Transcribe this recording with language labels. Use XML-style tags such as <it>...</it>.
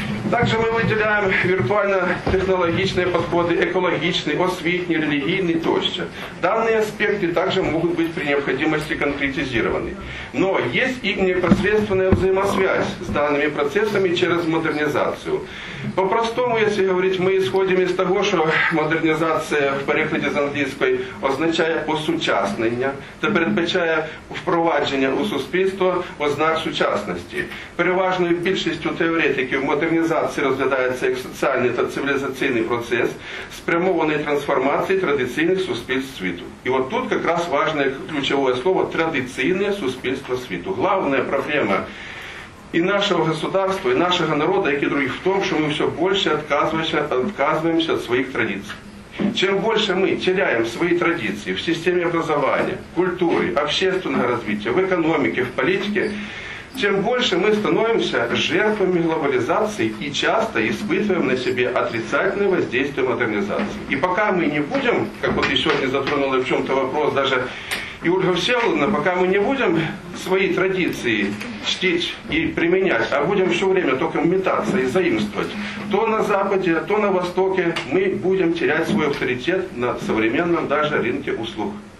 <ru>Также мы выделяем виртуально-технологичные подходы, экологичные,</ru> <uk>освітні, релігійні тощо.</uk> <ru>Данные аспекты также могут быть при необходимости конкретизированы. Но есть и непосредственная взаимосвязь с данными процессами через модернизацию. По-простому, если говорить, мы исходим из того, что модернизация в порядке</ru> <uk>з англійської означає осучаснення та передбачає впровадження у суспільство ознак сучасності. Переважною більшістю теоретиків модернізації розглядається як соціальний та цивілізаційний процес спрямований трансформації традиційних суспільств світу. І от тут якраз важливе ключове слово – традиційне суспільство світу. Главна проблема і нашого государства, і нашого народу, як і других, в тому, що ми все більше відказуємося від своїх традицій.</uk> <ru>Чем больше мы теряем свои традиции в системе образования, культуре, общественного развития, в экономике, в политике, тем больше мы становимся жертвами глобализации и часто испытываем на себе отрицательное воздействие модернизации. И пока мы не будем, как вот еще не затронула в чем-то вопрос даже и Ольга Всеволодовна, пока мы не будем свои традиции чтить и применять, а будем все время только метаться и заимствовать, то на Западе, то на Востоке мы будем терять свой авторитет на современном даже рынке услуг.</ru>